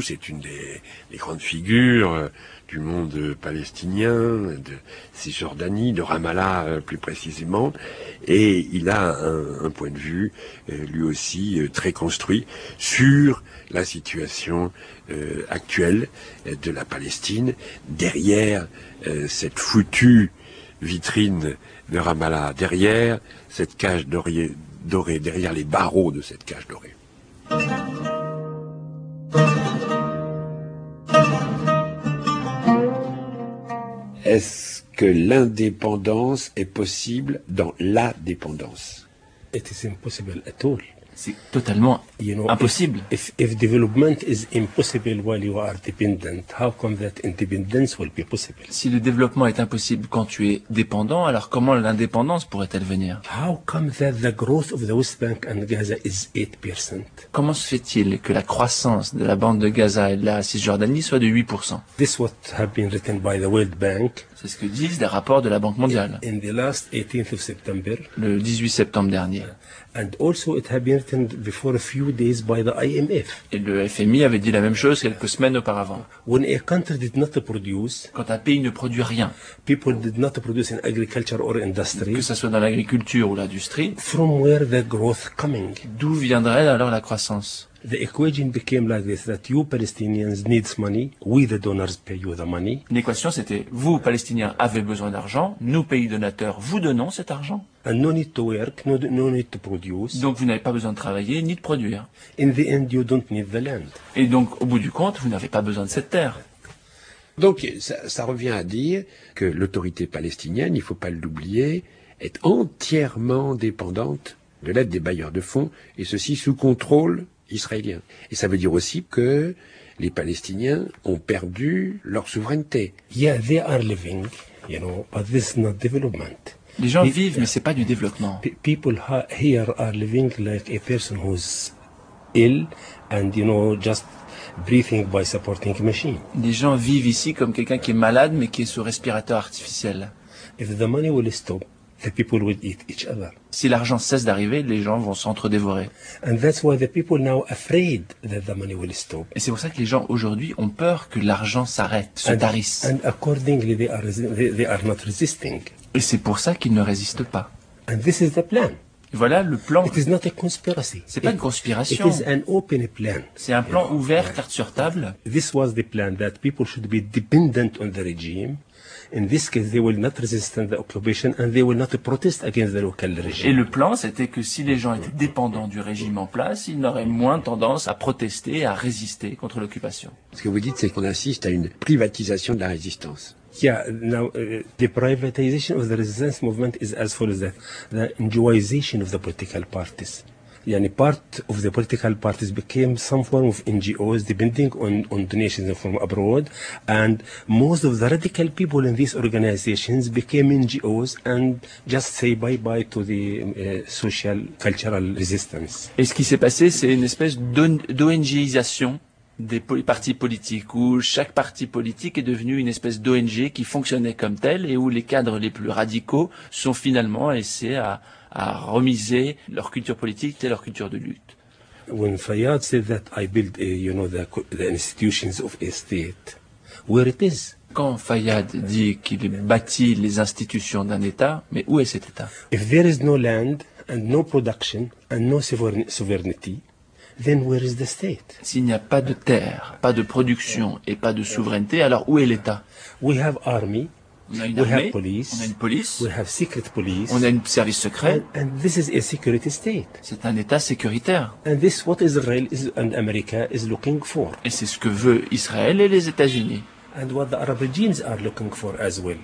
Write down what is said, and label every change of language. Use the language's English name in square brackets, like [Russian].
[French] C'est une des grandes figures du monde palestinien, de Cisjordanie, de Ramallah plus précisément, et il a un point de vue lui aussi très construit sur la situation actuelle de la Palestine derrière cette foutue vitrine de Ramallah, derrière cette cage dorée, derrière les barreaux de cette cage dorée. Est-ce que l'indépendance est possible dans la dépendance? [English] It is impossible at all. [French] C'est totalement impossible. [English] If development is impossible while you are dependent, how come that independence will be possible? [French] Si le développement est impossible quand tu es dépendant, alors comment l'indépendance pourrait-elle venir? [English] How come that the growth of the West Bank and Gaza is 8%? [French] Comment se fait-il que la croissance de la bande de Gaza et de la Cisjordanie soit de 8%? [English] This what have been written by the World Bank. [French] C'est ce que disent les rapports de la Banque mondiale. [English] In the last 18th of September. [French] Le 18 septembre dernier. [English] And also it had been written before a few days by the IMF. [French] Et le FMI avait dit la même chose quelques semaines auparavant. [English] When a country did not produce, [French] quand un pays ne produit rien, [English] people did not produce in agriculture or industry, [French] que ce soit dans l'agriculture ou l'industrie, [English] from where the growth coming? [French] D'où viendrait alors la croissance? [English] The equation became like this, that you Palestinians need money, we the donors pay you the money. [French] L'équation c'était, vous Palestiniens avez besoin d'argent, nous pays donateurs vous donnons cet argent. [English] And no need to work, no need to produce. [French] Donc vous n'avez pas besoin de travailler ni de produire. [English] In the end you don't need the land. [French] Et donc au bout du compte, vous n'avez pas besoin de cette terre. Donc ça revient à dire que l'autorité palestinienne, il ne faut pas l'oublier, est entièrement dépendante de l'aide des bailleurs de fonds, et ceci sous contrôle israélien. Et ça veut dire aussi que les Palestiniens ont perdu leur souveraineté. [English] Yeah, they are living, you know, but this is not development. [French] Les gens vivent, mais c'est pas du développement. [English] People here are living like a person who's ill and, you know, just breathing by supporting machine. [French] Les gens vivent ici comme quelqu'un qui est malade, mais qui est sous respirateur artificiel. [English] If the money will stop, the people will eat each other. [French] Si l'argent cesse d'arriver, les gens vont s'entre-dévorer. [English] And that's why the people now afraid that the money will stop. [French] Et c'est pour ça que les gens aujourd'hui ont peur que l'argent s'arrête, se tarisse. [English] And accordingly, they are not resisting. [French] Et c'est pour ça qu'ils ne résistent pas. [English] And this is the plan. [French] Voilà le plan. [English] It is not a conspiracy. [French] C'est pas une conspiration. [English] It is an open plan. [French] C'est un plan ouvert, carte sur table. [English] This was the plan that people should be dependent on the regime. In this case, they will not resist the occupation and they will not protest against the local regime. [French] Et le plan, c'était que si les gens étaient dépendants du régime en place, ils n'auraient moins tendance à protester, à résister contre l'occupation. Ce que vous dites, c'est qu'on assiste à une privatisation de la résistance. [English] Yeah, now the privatization of the resistance movement is as follows: the NGOization of the political parties. Yani part of the political parties became some form of NGOs depending on donations from abroad, and most of the radical people in these organizations became NGOs and just say bye-bye to the social cultural resistance. [French] Et ce qui s'est passé, c'est une espèce d'ONGisation des partis politiques, où chaque parti politique est devenu une espèce d'ONG qui fonctionnait comme tel et où les cadres les plus radicaux sont finalement essayés à remiser leur culture politique et leur culture de lutte. [English] When Fayyad said that I build a, you know, the institutions of a state, where it is? [French] Quand Fayyad dit qu'il bâtit les institutions d'un État, mais où est cet État? [English] If there is no land and no production and no sovereignty, then where is the state? [French] S'il n'y a pas de terre, pas de production et pas de souveraineté, alors où est l'État? [English] We have army. [French] On a une police. On a un service secret. [English] And this is a security state. [French] C'est un État sécuritaire. [English] And this what Israel is and America is looking for. [French] Et c'est ce que veut Israël et les États-Unis. [English] And what the Arab regimes are looking for as well.